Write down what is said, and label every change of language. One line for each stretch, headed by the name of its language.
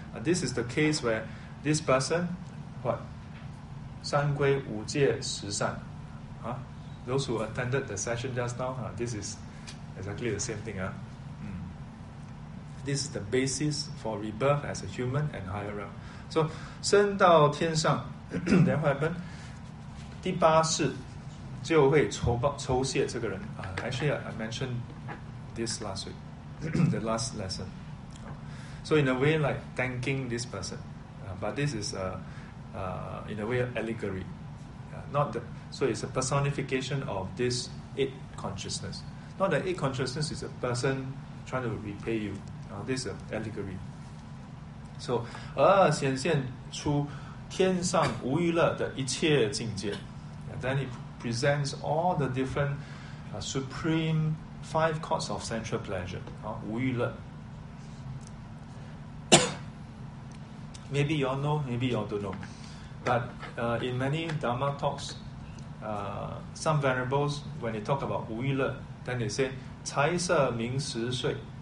English: This is the case where this person, what?
Chinese: 三归五戒十善,
English: those who attended the session just now, this is exactly the same thing. This is the basis for rebirth as a human and higher realm. So,
Chinese: 升到天上,
English: then what happened?
Chinese: 第八世就会酬谢这个人.
English: Actually, I mentioned this last week, the last lesson. So, in a way, like thanking this person. But this is in a way, allegory. So it's a personification of this eight consciousness. Not that eight consciousness is a person trying to repay you. This is an allegory. So,
Chinese: 而显现出天上无余乐的一切境界.
English: Then it presents all the different supreme five courts of central pleasure.
Chinese: 无余乐.
English: Maybe you all know, maybe you all don't know. But in many Dharma talks, some venerables, when they talk about
Chinese: 无余乐,
English: then they say
Chinese: 财色名食睡.